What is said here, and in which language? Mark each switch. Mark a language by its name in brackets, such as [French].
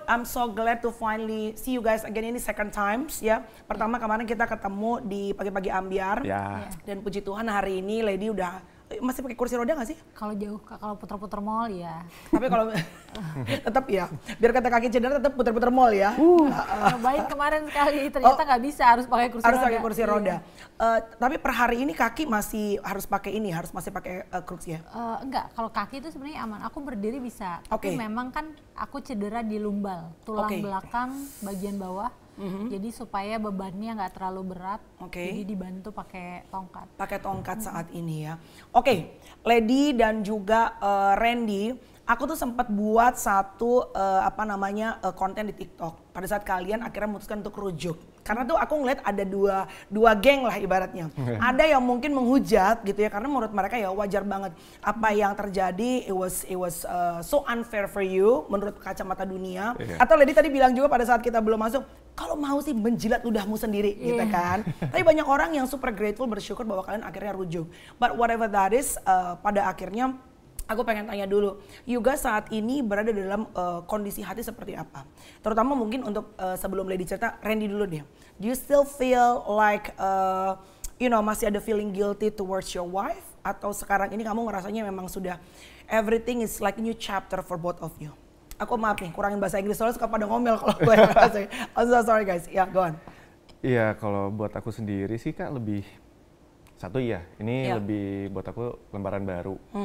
[English] I'm so glad to finally see you guys again. [Indonesian] Ini [English] second times [Indonesian] ya. Pertama kemarin kita ketemu di pagi-pagi Ambiar. [English] Yeah. Yeah. [Indonesian] Dan puji Tuhan hari ini Lady udah masih pakai kursi roda enggak sih? Kalau jauh kalau puter-puter mall ya. Tapi kalau tetap ya. Biar kata kaki cedera tetap puter-puter mall ya. Cobain kemarin sekali ternyata enggak bisa, harus pakai kursi harus roda. Harus pakai kursi roda. Yeah. Tapi per hari ini kaki masih harus pakai ini, harus masih pakai kursi ya? Enggak, kalau kaki itu sebenarnya aman. Aku berdiri bisa. Okay. Tapi memang kan aku cedera di lumbal, tulang belakang bagian bawah. Mm-hmm. Jadi supaya bebannya nggak terlalu berat, jadi dibantu pakai tongkat. Pakai tongkat saat ini ya. Okay, Lady dan juga Randy, aku tuh sempat buat satu konten di TikTok. Pada saat kalian akhirnya memutuskan untuk rujuk. Karena tuh aku ngeliat ada dua geng lah ibaratnya. Ada yang mungkin menghujat gitu ya, karena menurut mereka ya wajar banget apa yang terjadi. [English] It was so unfair for you [Indonesian] menurut kacamata dunia. [English] Yeah. [Indonesian] Atau Lady tadi bilang juga pada saat kita belum masuk, kalau mau sih menjilat ludahmu sendiri gitu kan. Tapi banyak orang yang [English] super grateful, [Indonesian] bersyukur bahwa kalian akhirnya rujuk. [English] But whatever that is, [Indonesian] pada akhirnya aku pengen tanya dulu, Yuga saat ini berada dalam kondisi hati seperti apa? Terutama mungkin untuk sebelum Lady cerita, Randy dulu deh. [English] Do you still feel like, [Indonesian] masih ada [English] feeling guilty towards your wife? [Indonesian] Atau sekarang ini kamu ngerasanya memang sudah, [English] everything is like a new chapter for both of you? [Indonesian] Aku maaf nih, kurangin bahasa Inggris, soalnya suka pada ngomel kalau gue ngerasanya. [English] I'm so sorry guys, yeah, go on. [Indonesian] Iya, kalau buat aku sendiri sih Kak lebih, satu iya, ini yeah, lebih buat aku lembaran baru.